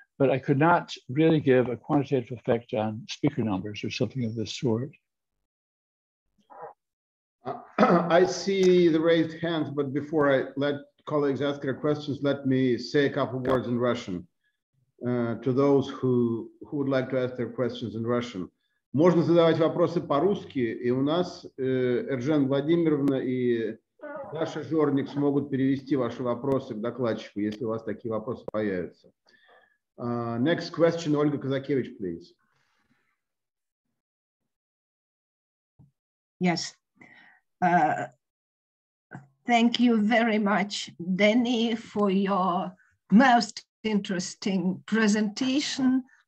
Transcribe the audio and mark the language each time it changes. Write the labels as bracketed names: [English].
[English] But I could not really give a quantitative effect on speaker numbers or something of this sort. I see the raised hands, but before I let colleagues ask their questions, let me say a couple of words in Russian to those who would like to ask their questions in Russian. [Russian] Можно задавать вопросы по-русски, и у нас Эржен Владимировна и Даша Жорник смогут перевести ваши вопросы к докладчику, если у вас такие вопросы появятся. [English] Next question, Ольга Казакевич, please. Yes. Thank you very much, Denny, for your most interesting presentation.